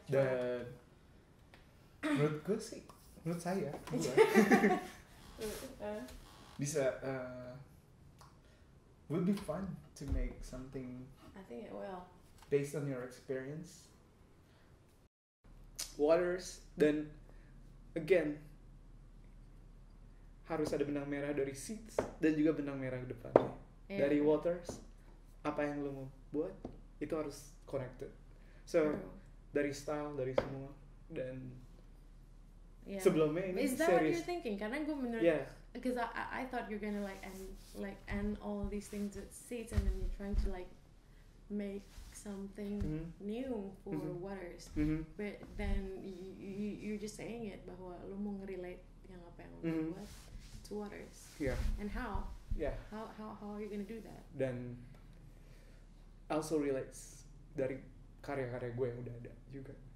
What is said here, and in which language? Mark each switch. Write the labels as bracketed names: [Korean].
[Indonesian] Dan menurut gue sih, menurut saya, gue, bisa, [English] would be fun to make something. I think it will. Based on your experience, [Indonesian] waters, then again harus ada benang merah dari Seeds dan juga benang merah ke depannya. [English] Yeah. [Indonesian] Dari waters, apa yang lo mau buat itu harus connected. So dari style, dari semua, dan [English] yeah. [Indonesian] sebelumnya ini [English] is that series. What you're thinking? [Indonesian] Karena gue menurut, [English] yeah. because I thought you're gonna like end all these things with Seeds and then you're trying to like make something mm-hmm. new for mm-hmm. waters, mm-hmm. but then you're just saying it [Indonesian] bahwa lu mau ngerelate yang apa yang lu mm-hmm. [English] buat to waters, yeah. and how, yeah. how are you gonna do that? [Indonesian] Dan [English] also relates [Indonesian] dari karya-karya gue yang udah ada juga.